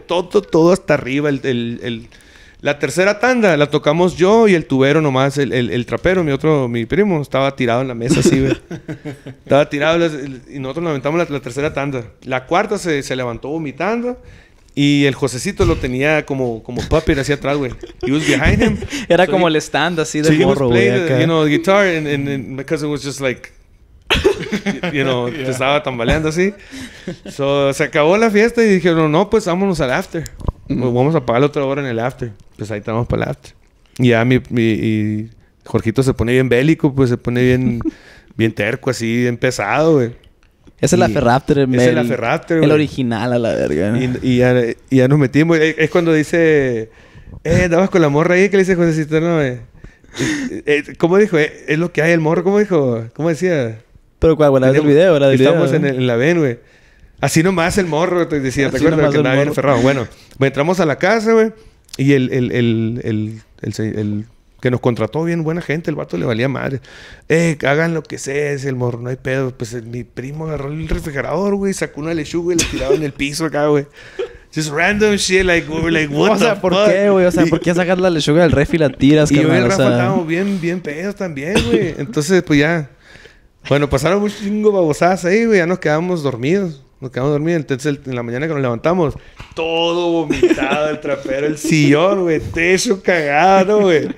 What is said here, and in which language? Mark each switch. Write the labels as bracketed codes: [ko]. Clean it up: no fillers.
[es] Todo hasta arriba. La tercera tanda la tocamos yo y el tubero nomás, el trapero, mi primo, estaba tirado en la mesa así, güey. Estaba tirado y nosotros lamentamos la tercera tanda. La cuarta se levantó vomitando y el Josecito lo tenía como puppet hacia atrás, güey. [en] He was behind him. [es] Era so como el stand así de morro, güey. [en] You know, guitar and because it was just like... You know, yeah. [es] Te estaba tambaleando así. So, se acabó la fiesta y dijeron, no, pues vámonos al after. Pues vamos a pagar otra hora en el after. Pues ahí estamos para el after. Y ya mi Jorgito se pone bien bélico, pues se pone bien bien terco así, bien pesado, güey. Esa es la Ferrafter, es la Ferrafter, el original a la verga, ¿no? Y ya nos metimos. Es cuando dice, andabas con la morra ahí. ¿Qué le dice José Cisterna, güey? ¿Cómo dijo? Es lo que hay, el morro. ¿Cómo dijo? ¿Cómo decía? Pero cuál, bueno, el video, ¿verdad? Estamos en la Ven, güey. Así nomás el morro, te decía, así ¿te acuerdas? Que nadie aferrado. Bueno, entramos a la casa, güey. Y el que nos contrató bien, buena gente, el vato le valía madre. Hagan lo que sea, es el morro, no hay pedo. Pues mi primo agarró el refrigerador, güey, sacó una lechuga y la tiraba en el piso acá, güey. [en] Just random shit, like, we were like, what the fuck? [es] O sea, ¿por qué, güey? O sea, ¿por qué sacas la lechuga del ref y la tiras, carnal? Y yo y el Rafa estábamos bien, bien pedos también, güey. Entonces, pues ya. Bueno, pasaron un chingo babosadas ahí, güey. Ya nos quedamos dormidos. Nos quedamos dormidos. Entonces, en la mañana que nos levantamos, todo vomitado, el trapero, el sillón, güey. Techo cagado, güey.